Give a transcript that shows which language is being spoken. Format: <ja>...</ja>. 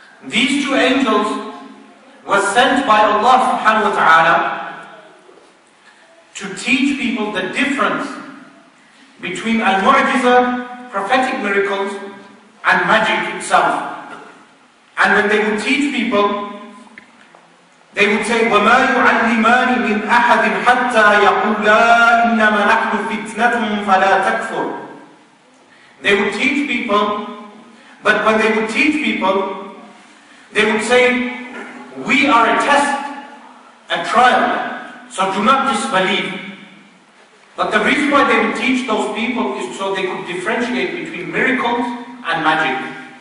<en>These two angels were sent by Allah subhanahu wa ta'ala to teach people the difference between al-mu'jiza, prophetic miracles, and magic itself. And when they would teach people, they would say,</en> <ar>وَمَا يُعَلِّمَانِ مِنْ أَحَدٍ حَتَّى يَقُلْ لَا إِنَّمَا نَحْنُ فِتْنَةٌ فَلَا تَكْفُرْ.</ar> <en>They would teach people, but when they would teach people, they would say, we are a test, a trial, so do not disbelieve. But the reason why they would teach those people is so they could differentiate between miracles and magic.</en>